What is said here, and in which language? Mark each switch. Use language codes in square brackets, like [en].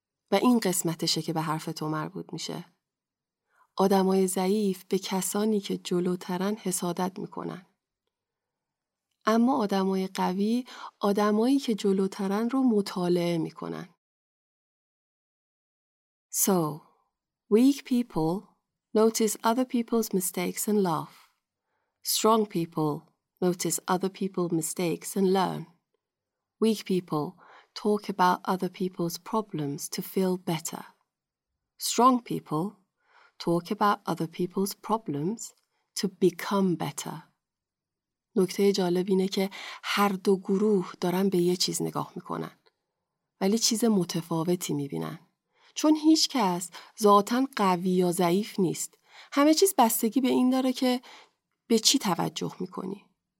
[fa] و این قسمتشه که به حرف تو مربوط میشه. آدمای ضعیف به کسانی که جلوترن حسادت می‌کنن. اما آدمای قوی آدمایی که جلوترن رو مطالعه می‌کنن. [en] So, weak people notice other people's mistakes and laugh. Strong people notice other people's mistakes and learn. Weak people talk about other people's problems to feel better. Strong people talk about other people's problems to become better. [fa] نکته جالب اینه که هر دو گروه دارن به یه چیز نگاه میکنن. ولی چیز متفاوتی میبینن. چون هیچ کس ذاتاً قوی یا ضعیف نیست. همه چیز بستگی به این داره که به چی توجه میکنی.